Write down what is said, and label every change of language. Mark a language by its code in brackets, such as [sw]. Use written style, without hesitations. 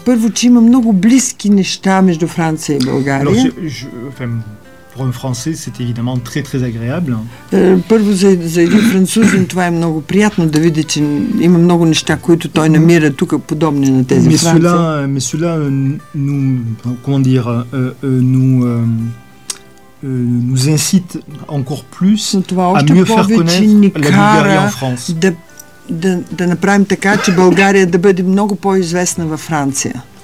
[bg] първо, че има много близки неща между Франция и България. [fr] Alors, pour un français, c'est évidemment très, très agréable. [bg] Първо, за един французин това е много приятно да види, че има много неща, които той намира тук, подобни на тези [fr] Mais Франция. Mais cela nous, comment dire, nous... nous incite encore plus à mieux faire connaître la Bulgarie en France. [bg] Да направим така, че България да бъде много по-известна във Франция.